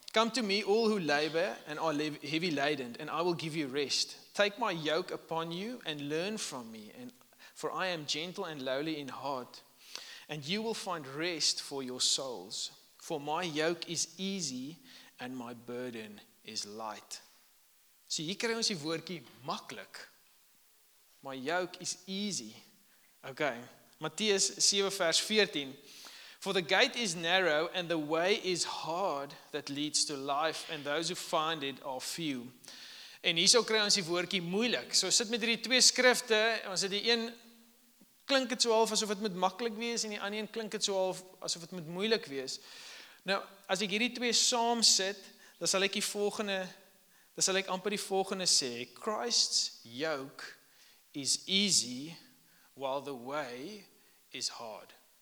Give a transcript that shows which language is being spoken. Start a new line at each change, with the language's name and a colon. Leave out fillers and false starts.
English: Come to me all who labor and are heavy laden and I will give you rest. Take my yoke upon you and learn from me and for I am gentle and lowly in heart and you will find rest for your souls. For my yoke is easy and my burden is light.
Afrikaans: So hier kry ons die woordjie maklik.
English: My yoke is easy. Okay,
Afrikaans: Matteus 7 vers 14.
English: For the gate is narrow and the way is hard that leads to life and those who find it are few.
Afrikaans: En hierso kry ons die woordjie moeilik. So sit met hierdie twee skrifte, ons het die een klink dit so half asof dit moet maklik wees en die ander een klink dit so half asof dit moet moeilik wees. Nou, as ek hierdie twee saam sit, dan sal ek amper die volgende sê,
English: Christ's yoke is easy while the way is hard.